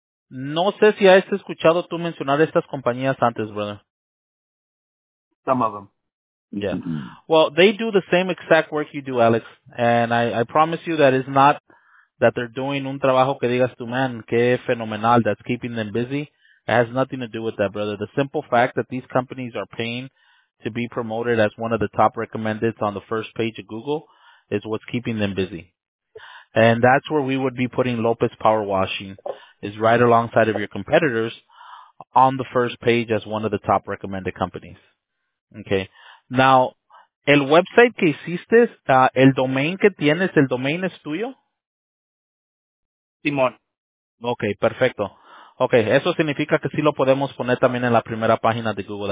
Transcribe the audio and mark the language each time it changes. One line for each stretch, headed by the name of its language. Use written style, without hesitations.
Spanish: No sé si has escuchado tú mencionar estas compañías antes, brother.
English: Some of them. Yeah. Well, they do the same exact work you do, Alex. And I promise you that it's not that they're doing
Spanish: un trabajo que digas tú,
English: man,
Spanish: qué fenomenal,
English: that's keeping them busy. It has nothing to do with that, brother. The simple fact that these companies are paying to be promoted as one of the top recommendeds on the first page of Google is what's keeping them busy. And that's where we would be putting Lopez Power Washing, is right alongside of your competitors on the first page as one of the top recommended companies. Okay.
Spanish: Now, el website que hiciste, el domain que tienes, el domain es tuyo? Simón. Okay, perfecto. Okay, eso significa que sí lo podemos poner también en la primera página de Google.